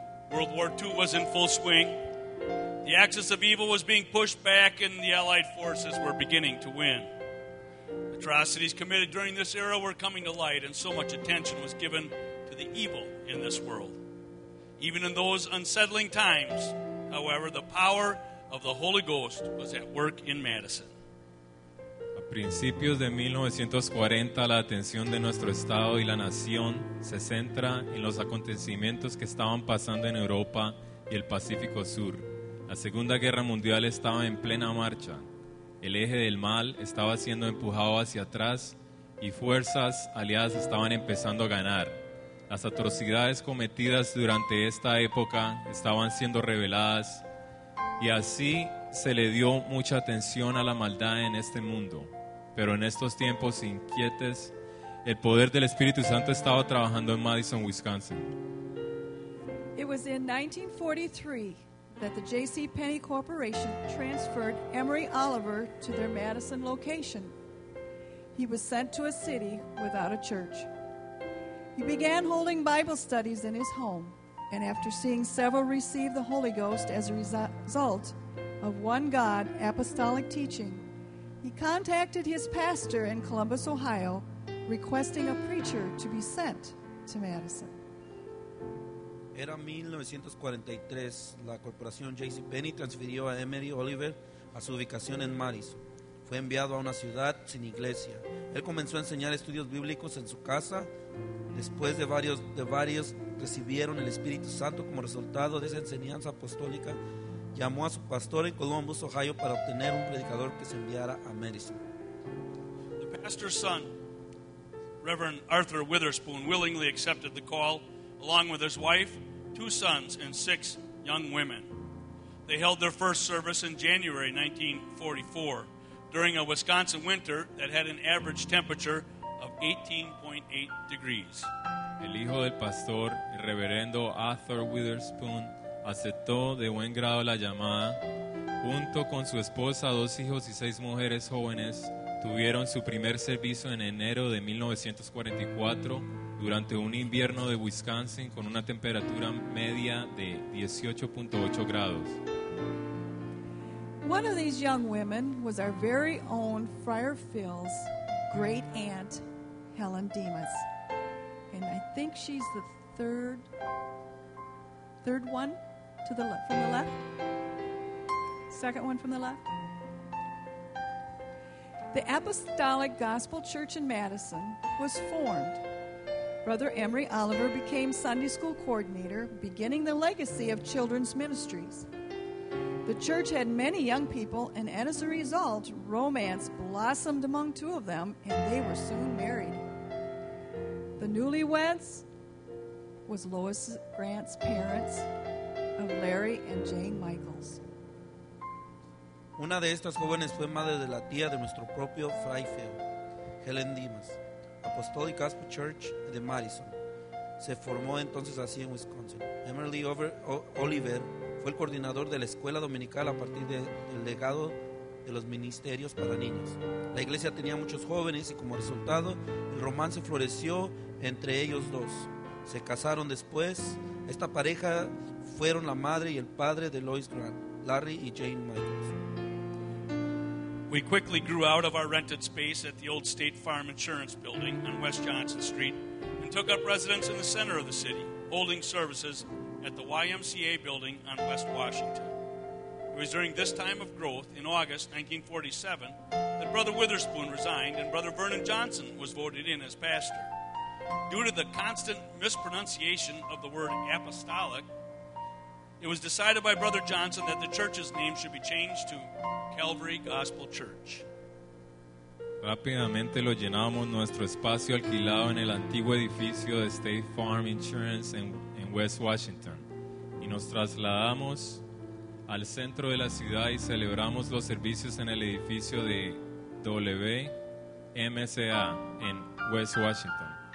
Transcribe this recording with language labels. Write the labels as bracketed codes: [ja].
[en] World War II was in full swing. The axis of evil was being pushed back, and the Allied forces were beginning to win. Atrocities committed during this era were coming to light, and so much attention was given to the evil in this world. Even in those unsettling times, however, the power of the Holy Ghost was at work in Madison. [es] A principios de 1940, la atención de nuestro Estado y la nación se centra en los acontecimientos que estaban pasando en Europa y el Pacífico Sur. La Segunda Guerra Mundial estaba en plena marcha. El eje del mal estaba siendo empujado hacia atrás y fuerzas aliadas estaban empezando a ganar. Las atrocidades cometidas durante esta época estaban siendo reveladas y así se le dio mucha atención a la maldad en este mundo. Pero en estos tiempos inquietos, el poder del Espíritu Santo estaba trabajando en Madison, Wisconsin. [en] It was in 1943 that the JCPenney Corporation transferred Emory Oliver to their Madison location. He was sent to a city without a church. He began holding Bible studies in his home, and after seeing several receive the Holy Ghost as a result of one God apostolic teaching, he contacted his pastor in Columbus, Ohio, requesting a preacher to be sent to Madison. [es] Era 1943. La corporación JCPenney transfirió a Emory Oliver a su ubicación en Madison. Fue enviado a una ciudad sin iglesia. Él comenzó a enseñar estudios bíblicos en su casa. Después de varios recibieron el Espíritu Santo como resultado de esa enseñanza apostólica, llamó a su pastor en Columbus, Ohio, para obtener un predicador que se enviara a Madison. [en] The pastor's son, Reverend Arthur Witherspoon, willingly accepted the call, along with his wife, two sons, and six young women. They held their first service in January 1944, during a Wisconsin winter that had an average temperature of 18.8 degrees. [es] El hijo del pastor, el reverendo Arthur Witherspoon, aceptó de buen grado la llamada. Junto con su esposa, dos hijos y seis mujeres jóvenes, tuvieron su primer servicio en enero de 1944 durante un invierno de Wisconsin con una temperatura media de 18.8 grados. [en] One of these young women was our very own Friar Phil's great aunt, Helen Demas. And I think she's the third Third one to the left, from the left. Second one from the left. The Apostolic Gospel Church in Madison was formed. Brother Emery Oliver became Sunday School Coordinator, beginning the legacy of children's ministries. The church had many young people, and as a result, romance blossomed among two of them, and they were soon married. The newlyweds was Lois Grant's parents of Larry and Jane Michaels. [es] Una de estas jóvenes fue madre de la tía de nuestro propio Fray Feo, Helen Dimas, Apostolic Gospel Church de Madison. Se formó entonces así en Wisconsin. Emily Oliver fue el coordinador de la escuela dominical a partir del legado de los ministerios para niños. La iglesia tenía muchos jóvenes y como resultado el romance floreció entre ellos dos. Se casaron después. Esta pareja fueron la madre y el padre de Lois Grant, Larry y Jane Michaels. [en] We quickly grew out of our rented space at the old State Farm Insurance Building on West Johnson Street and took up residence in the center of the city, holding services at the YMCA building on West Washington. It was during this time of growth, in August 1947, that Brother Witherspoon resigned and Brother Vernon Johnson was voted in as pastor. Due to the constant mispronunciation of the word apostolic, it was decided by Brother Johnson that the church's name should be changed to Calvary Gospel Church. [es] Rápidamente lo llenamos nuestro espacio alquilado en el antiguo edificio de State Farm Insurance en West Washington y nos trasladamos al centro de la ciudad y celebramos los servicios en el edificio de WMCA en West Washington.